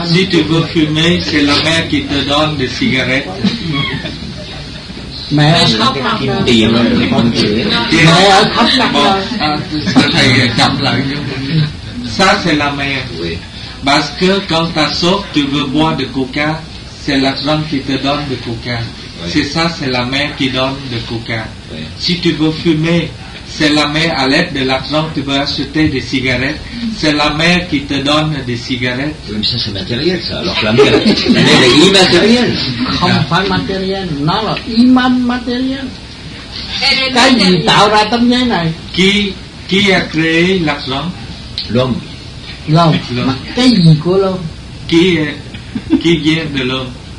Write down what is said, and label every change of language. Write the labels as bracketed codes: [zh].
[fr] Si tu veux fumer, c'est la mère qui te donne des cigarettes. [vi] Mẹ tiền thì con chửi. Mẹ ở khắp nơi. [fr] Bon, [vi] thầy chậm lại nhé. [fr] Ça c'est la mère. Parce que quand tu as soif, tu veux boire de coca, c'est l'argent qui te donne du coca. C'est ça, c'est la mère qui donne le coca. Oui. Si tu veux fumer, c'est la mère à l'aide de l'argent que tu veux acheter des cigarettes. C'est la mère qui te donne des cigarettes. Oui, mais ça, c'est matériel, ça. Alors que la mère, elle est immatérielle. [vi] Không phải matériel, nó là immatériel. Cái gì tạo ra tâm giới này? [fr] Qui a créé l'argent? L'homme. L'homme. [vi] Cái gì của l'homme? [fr] Qui vient de l'homme?